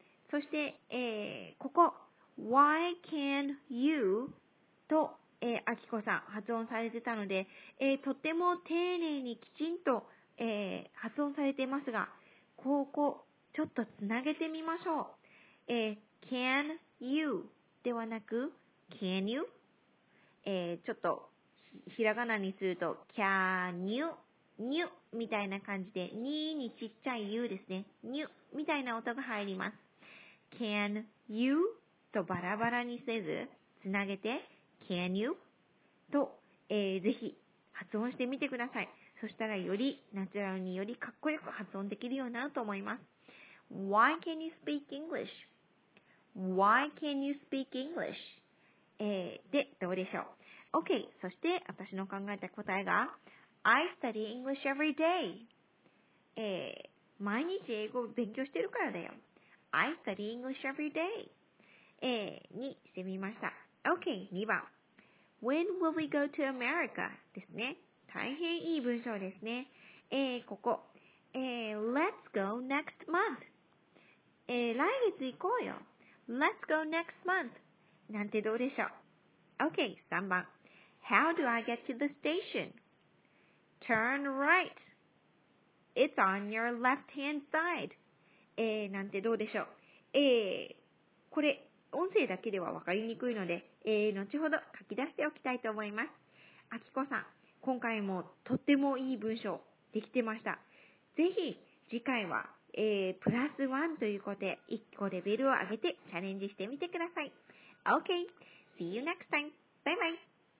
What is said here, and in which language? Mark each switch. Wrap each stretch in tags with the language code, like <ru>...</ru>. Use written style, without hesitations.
<ja>そして、ここ、</ja> <en>Why can you?</en> <ja>と、あきこさん、発音されてたので、とても丁寧にきちんと、発音されていますが、ここ、ちょっとつなげてみましょう。</ja> <en>can you ではなく can you?</en> <ja>ちょっとひらがなにすると</ja> <en>can you?</en> <ja>にゅみたいな感じで、にちっちゃい you ですね。にゅみたいな音が入ります。</ja> <en>can you?</en> <ja>とバラバラにせず、つなげて</ja> <en>can you?</en> <ja>と、ぜひ発音してみてください。そしたらよりナチュラルによりかっこよく発音できるようになると思います。</ja> <en>Why can you speak English? Why can you speak English?</en> <ja>で、どうでしょう。 OK、そして私の考えた答えが</ja> <en>I study English every day。</en> <ja>毎日英語を勉強してるからだよ。</ja> <en>I study English every day、にしてみました。 OK、2番 When will we go to America? ですね。</en> <ja>大変いい文章ですね。</ja> <en>ここ、Let's go next month。</en> <ja>来月行こうよ。</ja> <en>Let's go next month.</en> <ja>なんてどうでしょう。</ja> <en>OK、 3番 How do I get to the station? Turn right. It's on your left hand side.</en> <ja>なんてどうでしょう。これ音声だけでは分かりにくいので、後ほど書き出しておきたいと思います。あきこさん、今回もとってもいい文章できてました。ぜひ次回はプラスワンということで、一個レベルを上げてチャレンジしてみてください。</ja> <en>OK! See you next time! Bye bye!</en>